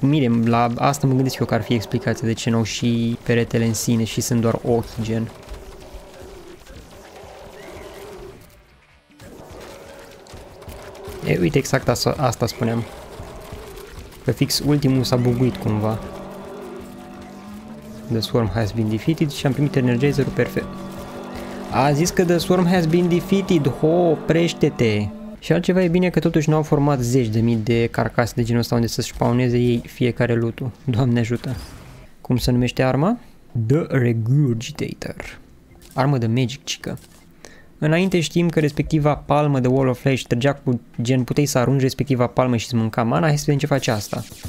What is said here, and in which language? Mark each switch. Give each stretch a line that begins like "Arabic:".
Romanian: Mire, la asta mă gândesc eu că ar fi explicația de ce n-au și peretele în sine și sunt doar ochi, gen. E, uite, exact asta spuneam. Că fix ultimul s-a buguit cumva.
English: The Swarm has been defeated
Romanian: și am primit energizerul perfect. A zis că The Swarm has been defeated, ho, oprește-te! Și altceva e bine că totuși n-au format 10.000 de carcase de genul ăsta unde să-și spawneze ei fiecare loot-ul. Doamne ajută! Cum se numește arma? The Regurgitator. Armă de magic, chică. Înainte știm că respectiva palmă de Wall of Flesh trăgea cu gen puteai să arunci respectiva palmă și să mânca mana, hai să vedem ce face asta.